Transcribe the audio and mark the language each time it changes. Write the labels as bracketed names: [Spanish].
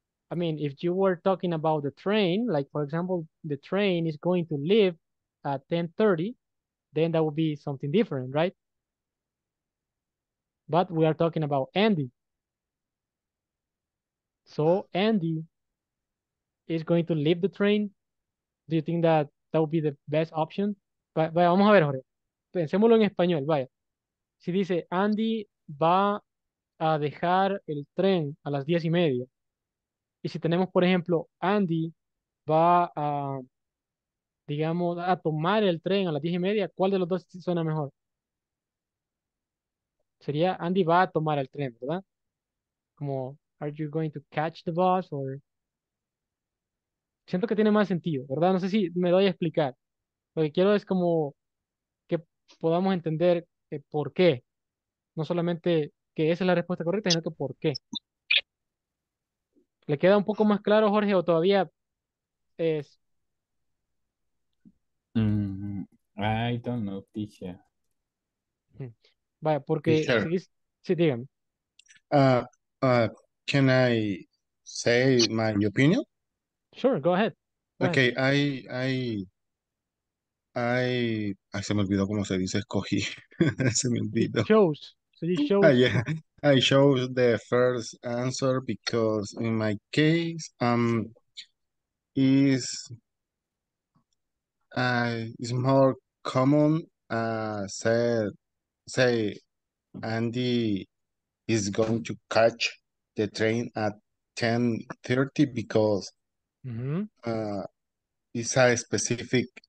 [English] I mean, if you were talking about the train, like for example, the train is going to leave at 10:30, then that would be something different, right? But we are talking about Andy. So Andy is going to leave the train. Do you think that that would be the best option? [Spanish] Vaya, vamos a ver, Jorge. Pensémoslo en español, vaya. Si dice Andy va a dejar el tren a las 10:30. Y si tenemos, por ejemplo, Andy va a, digamos, a tomar el tren a las 10:30, ¿cuál de los dos suena mejor? Sería Andy va a tomar el tren, ¿verdad? [English] Como, are you going to catch the bus? Or... [Spanish] Siento que tiene más sentido, ¿verdad? No sé si me doy a explicar. Lo que quiero es como que podamos entender por qué. No solamente que esa es la respuesta correcta, sino que por qué. ¿Le queda un poco más claro, Jorge, o todavía es... [English] I don't know, teacher. [Spanish] Vaya, porque [English] Teacher. [Spanish] sí, dígame. [English] Can I say my opinion? Sure, go ahead. Go ahead. [Spanish] Okay, I ay, se me olvidó cómo se dice, escogí. Se me olvidó. [English] So you Ah, chose. yeah. I chose the first answer because in my case, is more common, say Andy is going to catch the train at 10:30 because it's a specific